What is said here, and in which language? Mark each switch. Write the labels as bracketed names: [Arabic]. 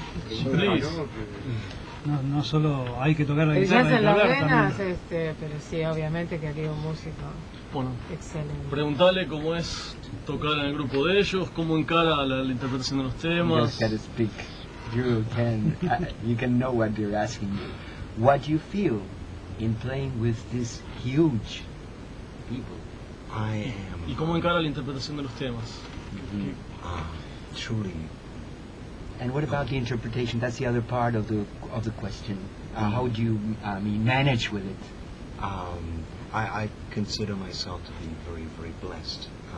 [Spanish] sí, no solo hay que tocar la guitarra. Y ya las venas, pero sí, obviamente que aquí hay un músico. Bueno, excelente. Preguntarle cómo es tocar en el grupo de ellos, cómo encara la interpretación de los temas. [English] You just gotta speak. You can know what they're asking you. What you feel in playing with this huge people. I am. [Spanish] ¿Y cómo encara la interpretación de los temas? [English] Truly. And what about the interpretation? That's the other part of the question. How do you manage with it? I consider myself to be very, very blessed.